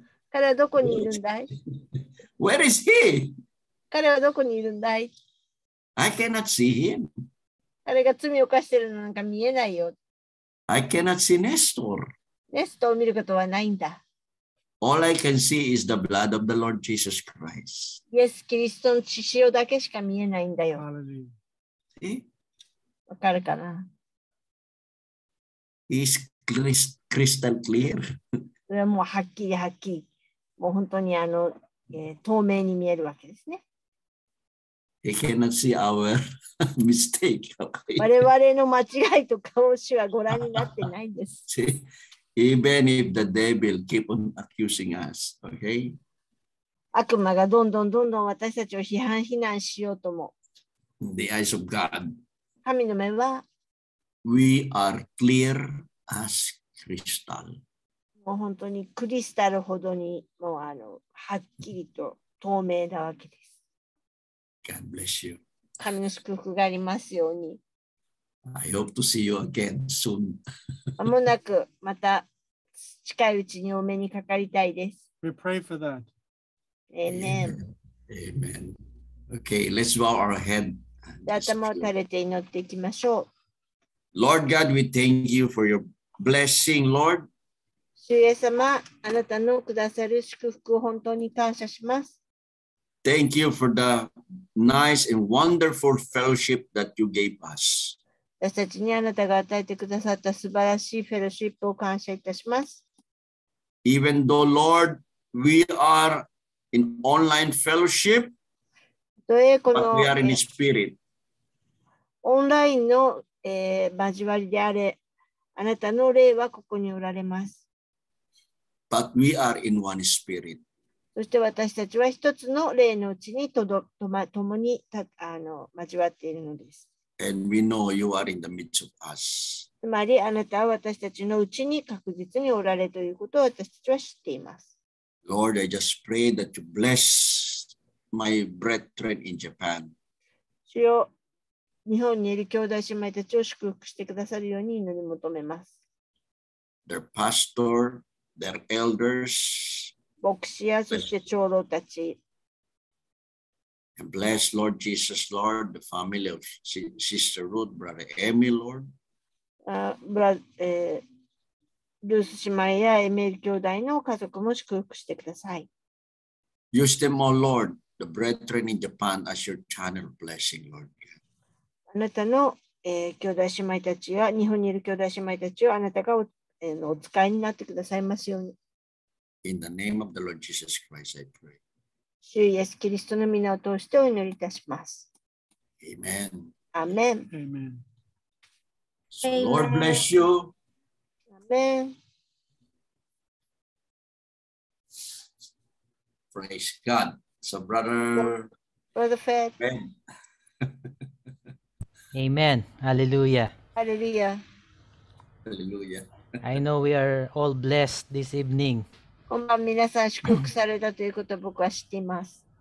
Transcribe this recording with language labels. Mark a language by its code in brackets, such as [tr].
[ja] 彼はどこにいるんだい？ [en] Where is he? [ja] 彼はどこにいるんだい？ [en] I cannot see him. [ja] 彼が罪を犯してるのなんか見えないよ。 [en] I cannot see Nestor. [ja] ネストを見ることはないんだ。 [en] All I can see is the blood of the Lord Jesus Christ. [ja] イエス・キリストの血潮だけしか見えないんだよ。 [en] See? [ja] わかるかな？ [en] It's crystal clear. [ja] それはもうはっきりはっきり。もう本当にあの、透明に見えるわけですね。 [en] He cannot see our mistake. [ja] 我々の間違いとかを主はご覧になってないんです。 [en] See? Even if the devil keep on accusing us, okay? [ja] 悪魔がどんどんどんどん私たちを批判非難しようとも。 [en] The eyes of God. [ja] 神の目は。 [en] We are clear as クリスタル。 [ja] もう本当にクリスタルほどにもうはっきりと透明なわけです。 [en] God bless you. [ja] 神の祝福がありますように。 [en] I hope to see you again soon. [ja] 間もなくまた近いうちにお目にかかりたいです。 [en] We pray for that. Amen. Amen. Okay, let's bow our head. [ja] 頭を垂れて祈っていきましょう。 [en] Lord God, we thank you for your blessing, Lord. [ja] 主イエス様、あなたのくださる祝福を本当に感謝します。 [en] Thank you for the nice and wonderful fellowship that you gave us. [ja] 私たちにあなたが与えてくださった素晴らしいフェロシップを感謝いたします。 [en] Even though, Lord, we are in online fellowship, but we are in spirit. [ja] オンラインの交わりであれ、あなたの霊はここにおられます。 [en] But we are in one spirit. [ja] そして私たちは一つの霊のうちにともに交わっているのです。 [en] And we know you are in the midst of us. [ja] つまりあなたは私たちのうちに確実におられということを私たちは知っています。 [en] Lord, I just pray that you bless my brethren in Japan. [ja] 主よ、日本にいる兄弟姉妹たちを祝福してくださるように祈り求めます。 [en] Their pastor, their elders, [ja] 牧師やそして長老たち。 [en] And bless Lord Jesus, Lord, the family of Sister Ruth, Brother Amy, Lord. [ja] ルース姉妹やエミル兄弟の家族も祝福してください。 [en] Use them, O Lord, the brethren in Japan as your channel blessing, Lord. [ja] あなたの、兄弟姉妹たちや日本にいる兄弟姉妹たちをあなたがお使いになってくださいますように。 [en] In the name of the Lord Jesus Christ, I pray. [ja] 主イエス・キリストの皆を通してお祈りいたします。 [en] Amen. Amen. Amen. So Lord bless you. Amen. Praise God. So Brother Fed. Amen. Amen. Hallelujah. Hallelujah. Hallelujah. I know we are all blessed this evening. [ja] こんばんは、皆さん祝福されたということを僕は知っています。